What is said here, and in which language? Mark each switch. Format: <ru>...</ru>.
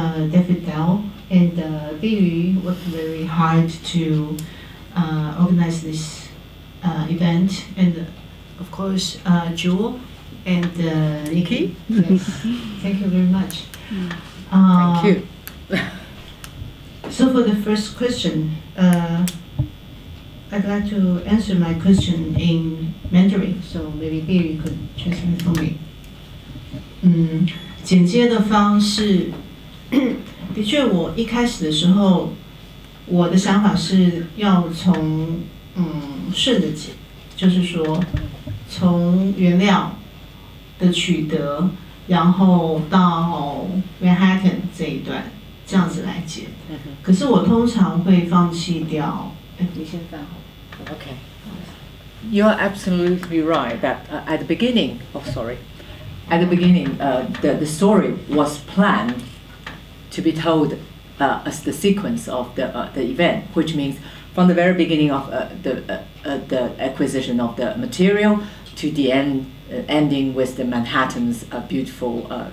<en>David Dell and Li Yu worked very hard to organize this event, and of course Jewel and Nikki. Yes. Thank you very much. Thank you. So for the first question, I'd like to answer my question in Mandarin, so maybe Billy could translate for me.</en> <zh>剪接的方式，的确，我一开始的时候，我的想法是要从顺着剪，就是说从原料的取得，然后到 Manhattan 这一段。这样子来剪，可是我通常会放弃掉。你先放好。Okay.</zh> <en>You are absolutely right that at the beginning, at the beginning, the story was planned to be told as the sequence of the event, which means from the very beginning of the acquisition of the material to the end, ending with the Manhattan's beautiful.</en>